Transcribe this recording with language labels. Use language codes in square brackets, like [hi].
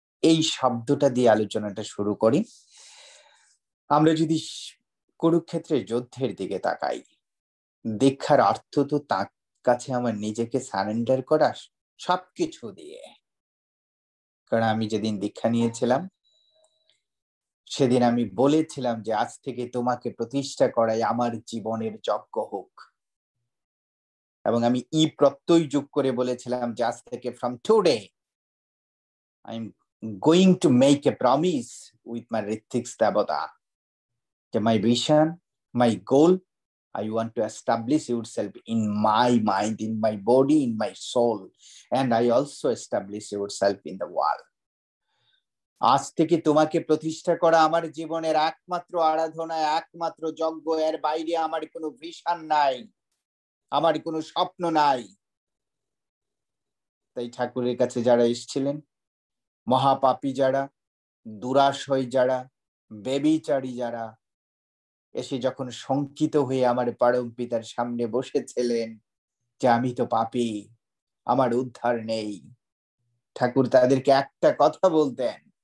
[bn] এই শব্দটা দিয়ে আলোচনাটা শুরু করি। আমরা যদি কুরুক্ষেত্রের যুদ্ধের দিকে তাকাই, দেখার অর্থ তো তাঁর কাছে আমার নিজেকে সারেন্ডার করা সবকিছু দিয়ে, কারণ আমি যেদিন দীক্ষা নিয়েছিলাম সেদিন আমি বলেছিলাম যে আজ থেকে তোমাকে প্রতিষ্ঠা করাই আমার জীবনের যজ্ঞ হোক, এবং আমি ই প্রত্যয় যোগ করে বলেছিলাম যে আজ থেকে [en] From today I am going to make a promise with my Ritwik দেবতা, my vision my goal I want to establish yourself in my mind, in my body, in my soul. And I also establish yourself in the world. [bn] আজ থেকে তোমাকে প্রতিষ্ঠা করা আমার জীবনের একমাত্র আরাধনা, একমাত্র যজ্ঞ। এর বাইরে আমার কোনো ভিশন নাই, আমার কোনো স্বপ্ন নাই। তাই ঠাকুরের কাছে যারা এসেছিলেন, মহাপাপী যারা, দুরাশয় যারা, বেবিচারী যারা, এসে যখন শঙ্কিত হয়ে আমার পরম পিতার সামনে বসেছিলেন যে আমি তো পাপী, আমার উদ্ধার নেই, ঠাকুর তাদেরকে একটা কথা বলতেন,